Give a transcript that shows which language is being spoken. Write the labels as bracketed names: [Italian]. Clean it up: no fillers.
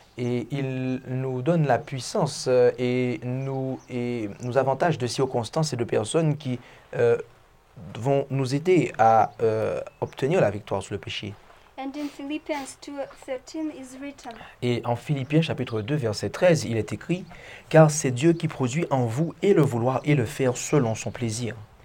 [French] Et il nous donne la puissance et nous avantage de circonstances et de personnes qui vont nous aider à obtenir la victoire sur le péché. [English] And in Philippians 2:13 is written. [French] Et en Philippiens chapitre 2 verset 13, il est écrit: car c'est Dieu qui produit en vous et le vouloir et le faire selon son plaisir.